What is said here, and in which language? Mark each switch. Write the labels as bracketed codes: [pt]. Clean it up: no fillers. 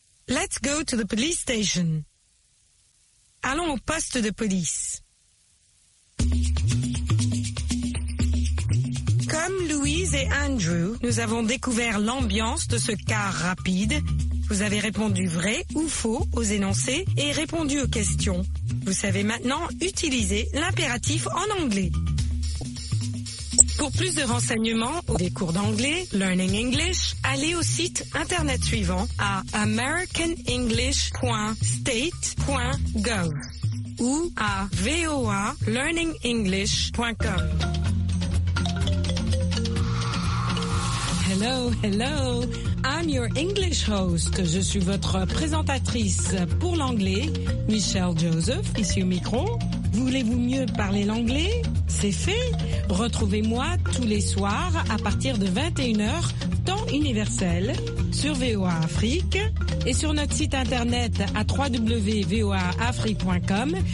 [en] Let's go to the police station. [fr] Allons au poste de police. Comme Louise et Andrew, nous avons découvert l'ambiance de ce car rapide. Vous avez répondu vrai ou faux aux énoncés et répondu aux questions. Vous savez maintenant utiliser l'impératif en anglais. Pour plus de renseignements ou des cours d'anglais, Learning English, allez au site internet suivant à americanenglish.state.gov ou à voalearningenglish.com. [en] Hello, hello, I'm your English host. [fr] Je suis votre présentatrice pour l'anglais, Michelle Joseph, ici au micro. Voulez-vous mieux parler l'anglais? C'est fait. Retrouvez-moi tous les soirs à partir de 21h, temps universel, sur VOA Afrique et sur notre site internet à www.voaafrique.com.